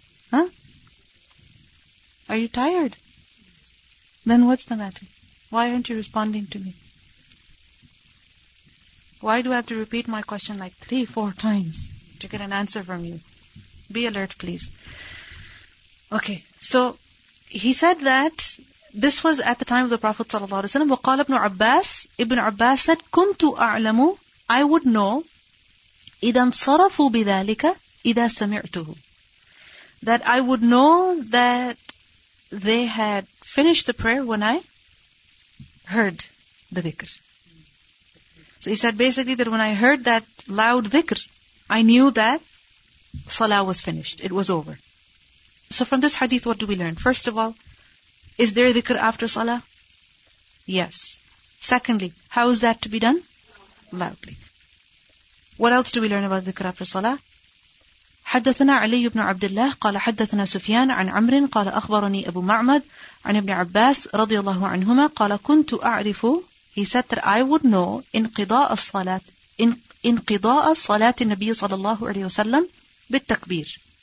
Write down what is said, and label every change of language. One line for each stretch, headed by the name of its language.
English: Huh? Are you tired? Then what's the matter? Why aren't you responding to me? Why do I have to repeat my question like 3-4 times to get an answer from you? Be alert, please. Okay, so he said that This was at the time of the Prophet
Arabic: صلى الله عليه وسلم. وقال ابن عباس, ابن عباس
English: said,
Arabic: كنت أعلم,
English: I would know,
Arabic: إذا انصرفوا بذلك, إذا سمعته.
English: That I would know that they had finished the prayer when I heard the dhikr. So he said basically that when I heard that loud dhikr, I knew that salah was finished, it was over. So from this hadith, what do we learn? First of all, is there dhikr after salah? Yes. Secondly, how is that to be done? Loudly. What else do we learn about dhikr after salah?
Arabic: حدثنا علي بن عبد الله قال حدثنا سفيان عن عمر قال أخبرني أبو معمد عن ابن عباس رضي الله عنهما قال كنت أعرف,
English: he said that I would know
Arabic: انقضاء الصلاة, انقضاء صلاة النبي صلى الله عليه وسلم بالتكبير.